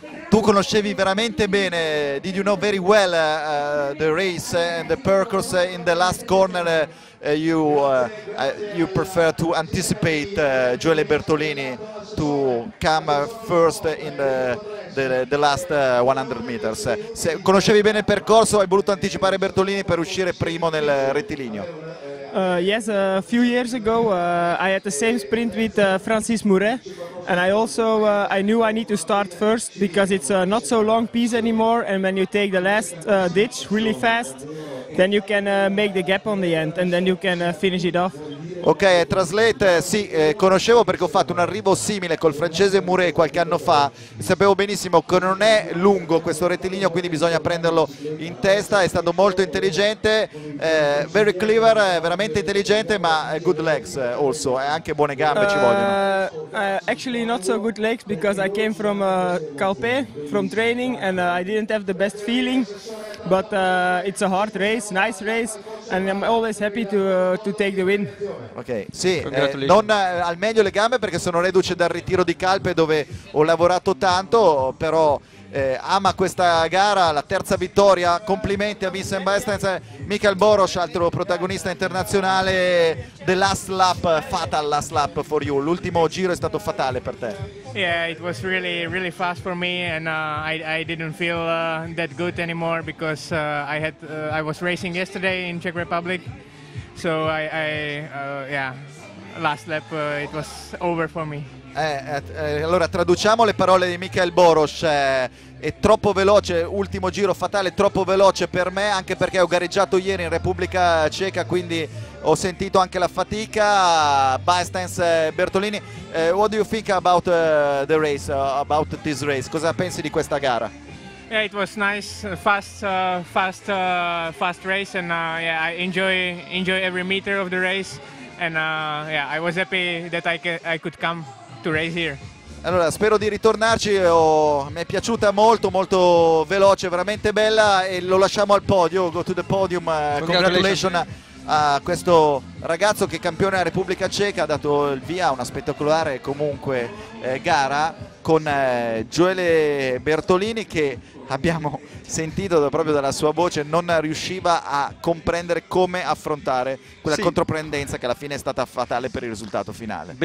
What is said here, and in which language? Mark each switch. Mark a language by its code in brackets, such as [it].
[it] Tu conoscevi veramente bene, [en] did you know very well the race and the purpose in the last corner, you prefer to anticipate Gioele Bertolini to come first in the last 100 meters. [it] Se conoscevi bene il percorso, hai voluto anticipare Bertolini per uscire primo nel rettilineo. [en] Yes, a few years ago I had the same sprint with Francis Mouret, and I also I knew I need to start first because it's not so long piece anymore, and when you take the last ditch really fast, then you can make the gap on the end and then you can finish it off. [it] Ok, [en] translate, [it] sì, conoscevo perché ho fatto un arrivo simile col francese Mouret qualche anno fa, sapevo benissimo che non è lungo questo rettilineo, quindi bisogna prenderlo in testa, è stato molto intelligente, [en] very clever, [it] veramente intelligente, ma [en] good legs also, [it] anche buone gambe ci vogliono. [en] Actually not so good legs because I came from Calpe, from training, and I didn't have the best feeling. But it's a hard race, nice race, and I'm always happy to take the win. [it] Ok, sì, non al meglio le gambe perché sono reduce dal ritiro di Calpe dove ho lavorato tanto, però ama questa gara, la terza vittoria, complimenti a Vincent Bestens. Michael Boros, altro protagonista internazionale, [en] the last lap, fatal last lap for you, [it] l'ultimo giro è stato fatale per te. [en] Yeah, it was really really fast for me, and I didn't feel that good anymore because I was racing yesterday in Czech Republic, so I last lap it was over for me. [it] Allora traduciamo le parole di Michael Borosz: è troppo veloce, ultimo giro fatale, troppo veloce per me, anche perché ho gareggiato ieri in Repubblica Ceca, quindi ho sentito anche la fatica. [en] Bastens Bertolini, what do you think about the race, about this race? [it] Cosa pensi di questa gara? [en] Yeah, it was nice, fast race, and yeah, I enjoy every meter of the race, and yeah, I was happy that I could come to race here. [it] Allora, spero di ritornarci. Mi è piaciuta molto, molto veloce, veramente bella, e lo lasciamo al podio. [en] Go to the podium. [it] Congratulations a questo ragazzo che è campione della Repubblica Ceca, ha dato il via a una spettacolare comunque gara con Gioele Bertolini, che abbiamo sentito proprio dalla sua voce non riusciva a comprendere come affrontare quella controprendenza che alla fine è stata fatale per il risultato finale.